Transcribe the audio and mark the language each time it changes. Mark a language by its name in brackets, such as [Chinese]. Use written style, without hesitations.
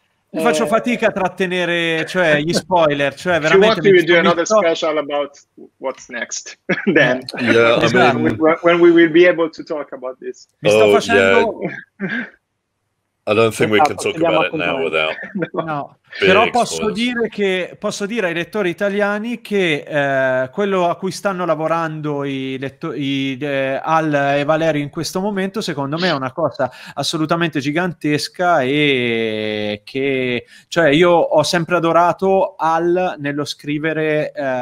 [Italian] Faccio fatica a trattenere, cioè, gli spoiler, cioè veramente. Ci vuole [English] another special about what's next then. Yeah, I mean, when we will be able to talk about this. [Italian] Mi sto facendo. [English] Yeah. I don't think we can talk about it now without. No. [Italian] Però posso dire ai lettori italiani che quello a cui stanno lavorando Al e Valerio in questo momento, secondo me, è una cosa assolutamente gigantesca, e che, cioè, io ho sempre adorato Al nello scrivere